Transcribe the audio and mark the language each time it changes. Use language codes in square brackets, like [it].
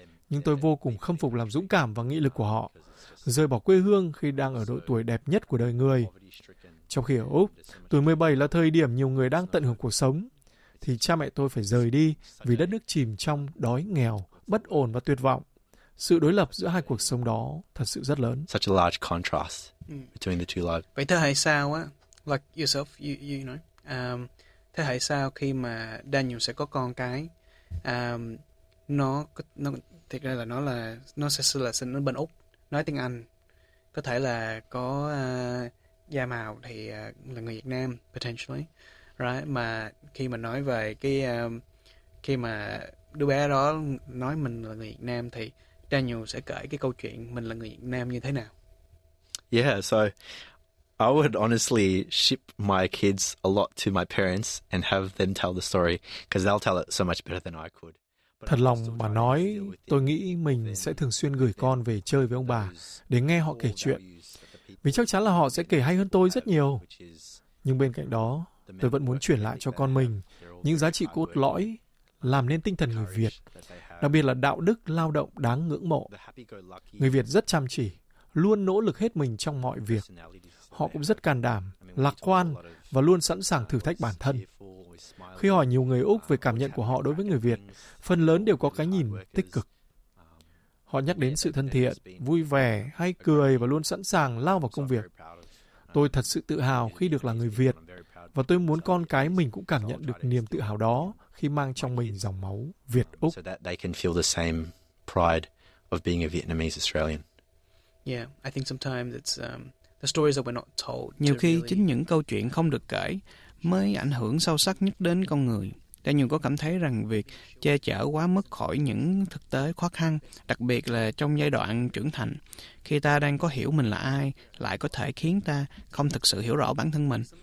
[vi] Nhưng tôi vô cùng khâm phục lòng dũng cảm và nghị lực của họ, rời bỏ quê hương khi đang ở độ tuổi đẹp nhất của đời người. Trong khi ở Úc, tuổi 17 là thời điểm nhiều người đang tận hưởng cuộc sống, thì cha mẹ tôi phải rời đi vì đất nước chìm trong đói nghèo, bất ổn và tuyệt vọng. Sự đối lập giữa hai cuộc sống đó thật sự rất lớn. [en] Such a large contrast between the two lives. [vi] Vậy thế hệ sau á, [en] like yourself, you know, [vi] thế hệ sau khi mà Daniel sẽ có con cái, nó thiệt ra là nó sẽ là sinh ở bên Úc, nói tiếng Anh, có thể là có da màu thì là người Việt Nam potentially, right? Mà khi mà nói về cái khi mà đứa bé đó nói mình là người Việt Nam thì Daniel sẽ kể cái câu chuyện mình là người Việt Nam như thế nào? [en] Yeah, so I would honestly ship my kids a lot to my parents and have them tell the story because they'll tell it so much better than I could. [vi] Thật lòng mà nói, tôi nghĩ mình sẽ thường xuyên gửi con về chơi với ông bà để nghe họ kể chuyện. Vì chắc chắn là họ sẽ kể hay hơn tôi rất nhiều. Nhưng bên cạnh đó, tôi vẫn muốn chuyển lại cho con mình những giá trị cốt lõi làm nên tinh thần người Việt, đặc biệt là đạo đức lao động đáng ngưỡng mộ. Người Việt rất chăm chỉ, luôn nỗ lực hết mình trong mọi việc. Họ cũng rất can đảm, lạc quan và luôn sẵn sàng thử thách bản thân. Khi hỏi nhiều người Úc về cảm nhận của họ đối với người Việt, phần lớn đều có cái nhìn tích cực. Họ nhắc đến sự thân thiện, vui vẻ, hay cười và luôn sẵn sàng lao vào công việc. Tôi thật sự tự hào khi được là người Việt, và tôi muốn con cái mình cũng cảm nhận được niềm tự hào đó khi mang trong mình dòng máu Việt Úc. [en] So that they can feel the same pride of being a Vietnamese Australian. Yeah, I think sometimes it's the stories that we're not told. [vi] Nhiều khi chính những câu chuyện không được kể mới ảnh hưởng sâu sắc nhất đến con người. Daniel có cảm thấy rằng việc che chở quá mức khỏi những thực tế khó khăn, đặc biệt là trong giai đoạn trưởng thành, khi ta đang có hiểu mình là ai, lại có thể khiến ta không thực sự hiểu rõ bản thân mình.